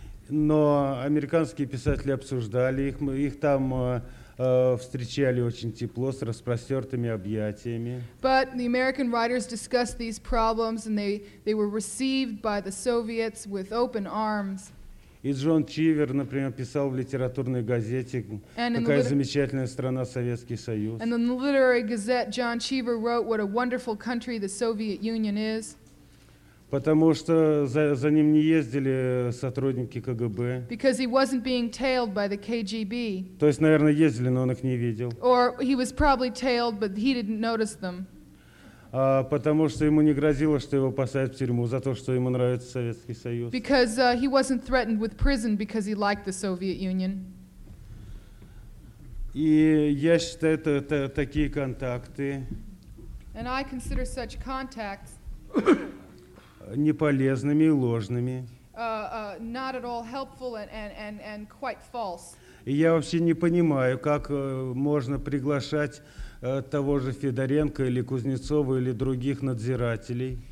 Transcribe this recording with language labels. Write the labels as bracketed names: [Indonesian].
[Russian] Но американские писатели обсуждали их. Их там встречали очень тепло, с распростертыми объятиями. [English] But the American writers discussed these problems, and they were received by the Soviets with open arms. [Russian] И Джон Чивер, например, писал в литературной газете, какая замечательная страна Советский Союз. [English] And in the literary gazette, John Cheever wrote, what a wonderful country the Soviet Union is. [Russian] Потому что за ним не ездили сотрудники КГБ. [English] Because he wasn't being tailed by the KGB. [Russian] То есть, наверное, ездили, но он их не видел. [English] Or he was probably tailed, but he didn't notice them. [Russian] Потому что ему не грозило, что его посадят в тюрьму за то, что ему нравится Советский Союз. [English] Because he wasn't threatened with prison because he liked the Soviet Union. [Russian] И я считаю, это, это такие контакты. [English] And I consider such contacts [Russian] неполезными и ложными. [English] Not at all helpful and quite false. [Russian] И я вообще не понимаю, как можно приглашать того же Федоренко или Кузнецова или других надзирателей.